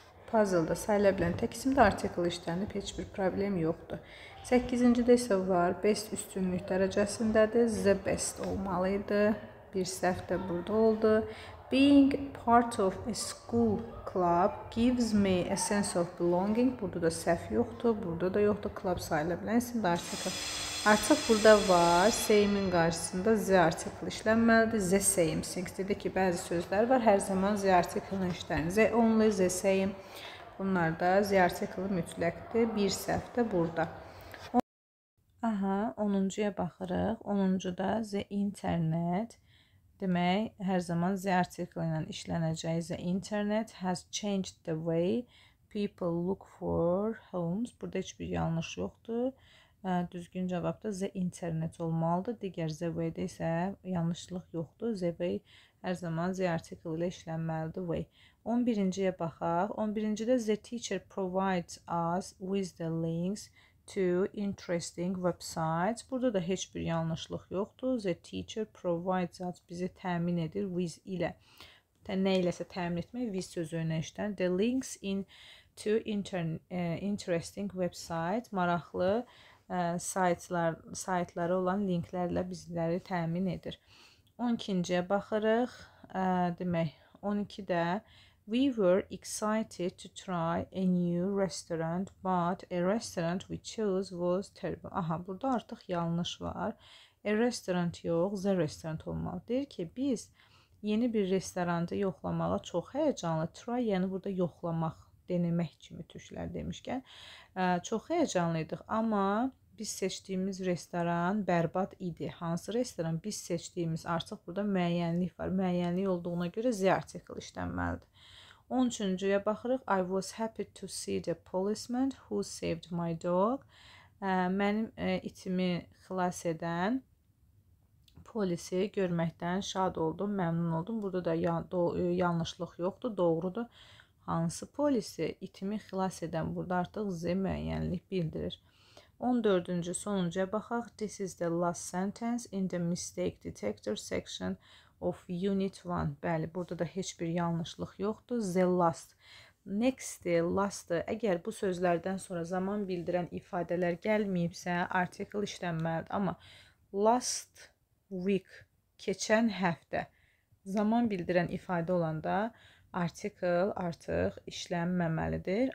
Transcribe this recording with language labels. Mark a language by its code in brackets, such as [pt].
[az] Puzzle-da sayılə bilən tək isimdə article işlənib, heç bir problem yoxdur. 8-cidə isə var, best üstünlük dərəcəsindədir, the best olmalıydı. Bir səhv də burada oldu. [en] Being part of a school club gives me a sense of belonging. [az] Burada da səhv yoxdur, burada da yoxdur, club sayılə bilən isimdə article. Artıq burada var, same-in qarşısında the article işlənməlidir, the same. Sinks dedi ki, bəzi sözlər var, hər zaman the article-ın işlənir. The only, the same. Bunlar da the article-ı mütləqdir. Bir səhv də burada. Aha, 10-cuya baxırıq. 10-cu da [en] the internet. Demək, hər zaman the article ilə işlənəcək the internet has changed the way people look for homes. [az] Burada heç bir yanlış yoxdur. Düzgün cavab da the internet olmalıdır. Digər the way-də isə yanlışlıq yoxdur. The way hər zaman the article ilə işlənməlidir way. 11-ciyə baxaq. 11-cidə [en] the teacher provides us with the links to interesting websites. [az] Burada da heç bir yanlışlıq yoxdur. [en] The teacher provides us, [az] bizi təmin edir with ilə. Nə iləsə təmin etmək, with sözü önə işlənir. [en] The links in to interesting websites. [az] Maraqlı saytları olan linklərlə bizləri təmin edir. 12-ciyə baxırıq. Demək, 12-də [en] we were excited to try a new restaurant, but a restaurant we chose was terrible. [az] Aha, burada artıq yanlış var. A restaurant yox, the restaurant olmalıdır. Deyir ki, biz yeni bir restoranı yoxlamağa çox həyəcanlı, try, yəni burada yoxlamaq, denemək kimi türklər demişkən, çox həyəcanlıydıq. Amma biz seçdiyimiz restoran bərbad idi. Hansı restoran biz seçdiyimiz? Artıq burada müəyyənlik var. Müəyyənlik olduğuna görə the article işlənməlidir. 13-cüyə baxırıq. [en] I was happy to see the policeman who saved my dog. [az] Mənim itimi xilas edən polisi görməkdən şad oldum, məmnun oldum. Burada da yanlışlıq yoxdur, doğrudur. Hansı polisi itimi xilas edən? Burada artıq z müəyyənlik bildirir. 14-cü sonuncuya baxaq. [en] This is the last sentence in the mistake detector section of unit 1. [az] Bəli, burada da heç bir yanlışlıq yoxdur. The last. Next, last. Əgər bu sözlərdən sonra zaman bildirən ifadələr gəlməyibsə, artikl işlənməlidir. Amma last week, keçən həftə zaman bildirən ifadə olanda artikl artıq işlənməməlidir.